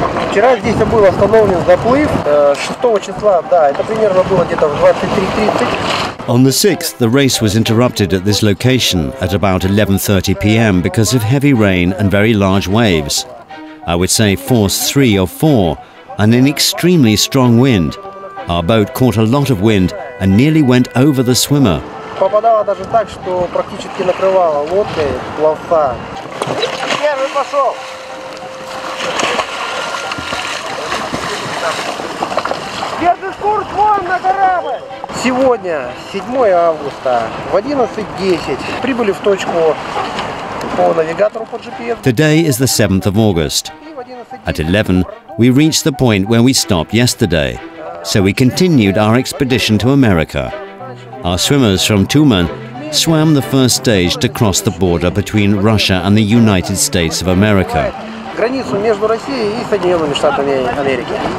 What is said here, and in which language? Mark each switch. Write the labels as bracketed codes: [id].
[ru] Вчера здесь был остановлен заплыв 6 числа, да, это примерно было где-то в 23:30. [en] On the 6th, the race was interrupted at this location at about 11:30 p.m. because of heavy rain and very large waves. I would say force 3 or 4, and an extremely strong wind. Our boat caught a lot of wind and nearly went over the swimmer. [ru] Попадало даже так, что практически накрывало лодки, плавца. Первый пошел! Держи курс вон на корабль! Сегодня, 7 августа, в 11:10, прибыли в точку по навигатору по GPS. [en] Today is the 7th of August. At 11, we reached the point where we stopped yesterday. So we continued our expedition to America. Our swimmers from Tumen swam the first stage to cross the border between Russia and the United States of America. [ru] Границу между Россией и Соединенными Штатами Америки.